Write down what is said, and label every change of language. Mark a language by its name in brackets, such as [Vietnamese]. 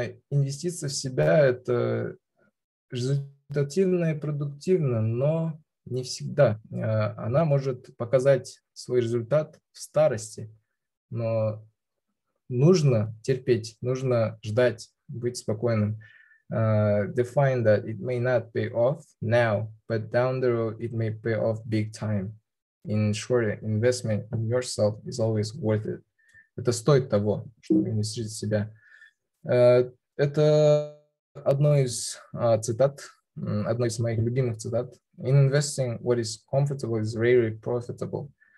[Russian] Инвестиция в себя – это результативно и продуктивно, но не всегда. Она может показать свой результат в старости, но нужно терпеть, нужно ждать, быть спокойным. [English] Define that it may not pay off now, but down the road it may pay off big time. In short, investment in yourself is always worth it. [Russian] Это стоит того, чтобы инвестировать в себя. Это одно из цитат, одно из моих любимых цитат. [English] In investing, what is comfortable is rarely profitable.